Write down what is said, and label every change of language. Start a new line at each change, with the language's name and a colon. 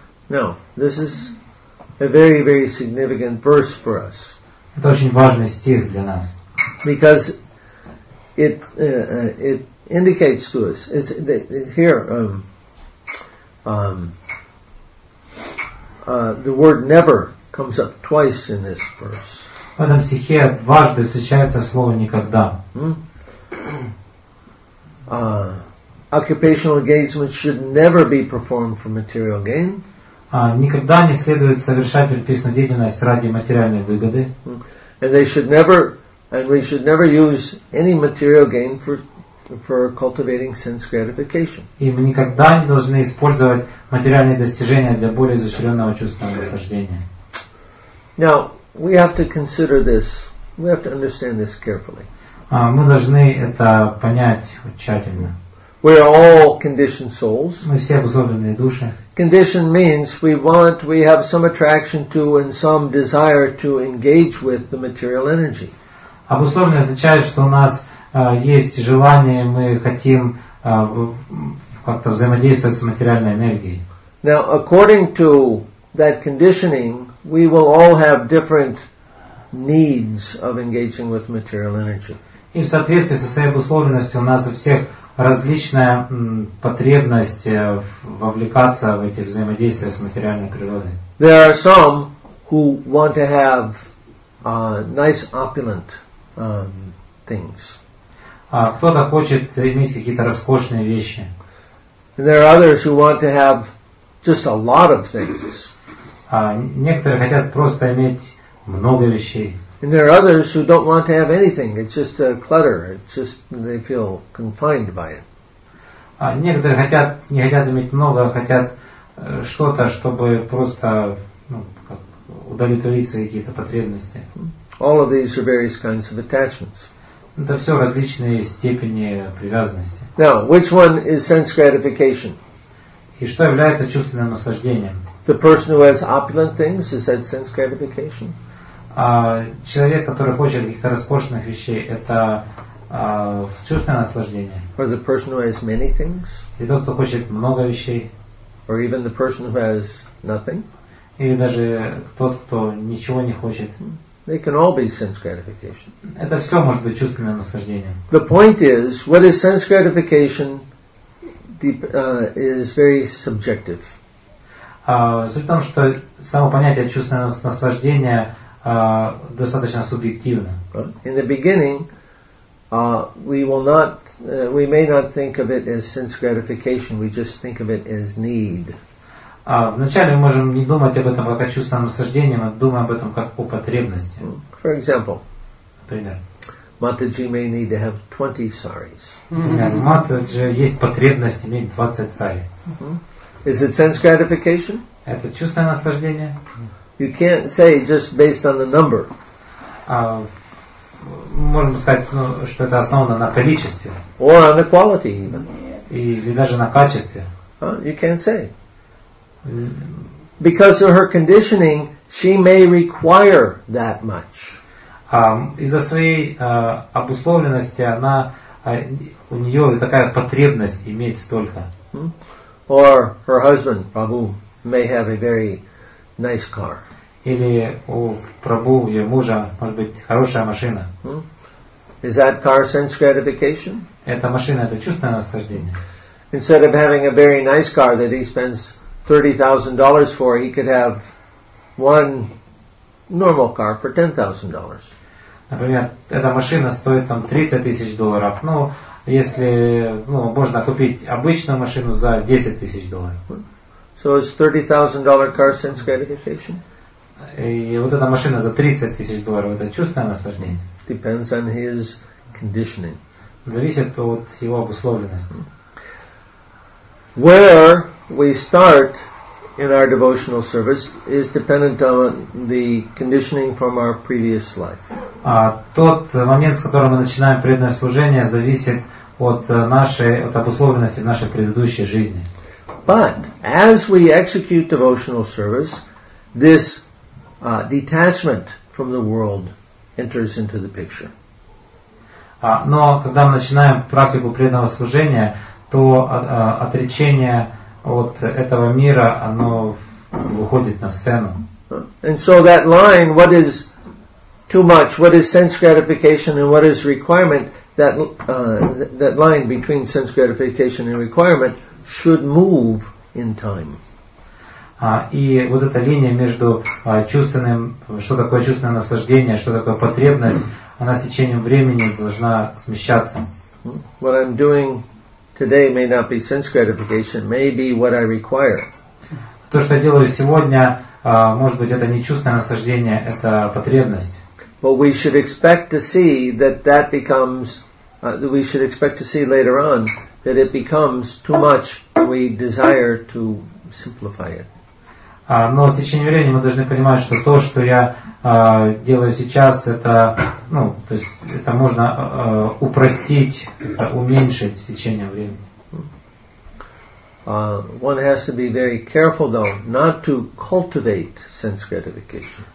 English: Now, this is a very, very significant verse for us.
Russian: Это очень важный стих для нас.
English: Because it indicates to us, it's here, the word never comes up twice in this verse.
Russian: В этом стихе дважды встречается слово никогда.
English: Occupational engagement should never be performed for material gain.
Russian: Никогда не следует совершать предписанную деятельность ради материальной выгоды.
English: And they should never, and we should never use any material gain for cultivating sense gratification.
Russian: И мы никогда не должны использовать материальные достижения для более изощренного чувства наслаждения.
English: Now we have to consider this. We have to understand this carefully.
Russian: Мы должны это понять тщательно.
English: We are all conditioned souls.
Russian: Мы все обусловленные души.
English: Conditioned means we want, we have some attraction to and some desire to engage with the material energy.
Russian: Обусловленное означает, что у нас есть желание, мы хотим как-то взаимодействовать с материальной энергией.
English: Now, according to that conditioning, we will all have different needs of engaging with material energy.
Russian: И в соответствии со своей обусловленностью у нас у всех различная потребность вовлекаться в эти взаимодействия с материальной природой.
English: There are some who want to have nice opulent things.
Russian: Кто-то хочет иметь какие-то роскошные вещи.
English: There are others who want to have just a lot of things.
Russian: Некоторые хотят просто иметь много вещей.
English: And there are others who don't want to have anything. It's just a clutter. It's just they feel confined by it.
Russian: Некоторые хотят, не хотят иметь много, хотят что-то, чтобы просто удовлетворить свои какие-то потребности.
English: All of these are various kinds of attachments.
Russian: Это все различные степени привязанности.
English: Now, which one is sense gratification?
Russian: И что является чувственным наслаждением?
English: The person who has opulent things, is that sense gratification?
Russian: Человек, который хочет каких-то роскошных вещей, это чувственное наслаждение.
English: Or the person who has many things.
Russian: И тот, кто хочет много вещей.
English: Or even the person who has nothing.
Russian: Или даже тот, кто ничего не хочет.
English: They can all be sense gratification.
Russian: Это все может быть чувственным наслаждением.
English: The point is, what is sense gratification is very subjective.
Russian: Суть в том, что само понятие чувственного наслаждения достаточно субъективно.
English: In the beginning, we will not, we may not think of it as sense gratification. We just think of it as need.
Russian: Вначале мы можем не думать об этом как о чувственном наслаждении, мы думаем об этом как о потребности.
English: For example,
Russian: например,
English: Mataji may need to have 20 saris.
Russian: Mataji есть потребность иметь 20 сари.
English: Is it sense gratification?
Russian: Это чувственное наслаждение.
English: You can't say just based on the number.
Russian: Можем сказать, что это основано на количестве.
English: Or on the quality even.
Russian: Или даже на качестве.
English: You can't say. Because of her conditioning, she may require that much.
Russian: Из-за своей обусловленности она у нее такая потребность иметь столько.
English: Or her husband, Prabhu, may have a very nice car.
Russian: Или у Прабу, ее мужа, может быть, хорошая машина.
English: Is that car sense gratification?
Russian: Эта машина, это чувственное наслаждение.
English: Instead of having a very nice car that he spends $30,000 for, he could have one normal car for $10,000.
Russian: Например, эта машина стоит там $30,000. Ну, если, ну, можно купить обычную машину за $10,000.
English: So is $30,000 car sense gratification?
Russian: И вот эта машина за $30,000 это чувственное наслаждение.
English: Depends on his conditioning.
Russian: Зависит от его обусловленности.
English: Where we start in our devotional service is dependent on the conditioning from our previous life.
Russian: Тот момент, с которого мы начинаем преданное служение, зависит от нашей, от обусловленности в нашей предыдущей жизни.
English: But as we execute devotional service, this detachment from the world enters into the picture.
Russian: Но когда мы начинаем практику преданного служения, то отречение от этого мира, оно выходит на сцену.
English: And so that line, what is too much, what is sense gratification and what is requirement, that line between sense gratification and requirement should move in time.
Russian: И вот эта линия между чувственным, что такое чувственное наслаждение, что такое потребность, она с течением времени должна смещаться.
English: What I'm doing today may not be sense gratification, may be what I require.
Russian: То, что я делаю сегодня, может быть, это не чувственное наслаждение, это потребность.
English: But we should expect to see that that becomes, we should expect to see later on that it becomes too much, we desire to simplify it.
Russian: Но в течение времени мы должны понимать, что то, что я делаю сейчас, это, ну, то есть это можно упростить, уменьшить с течением времени.
English: One has to be very careful, though, not to cultivate sense gratification.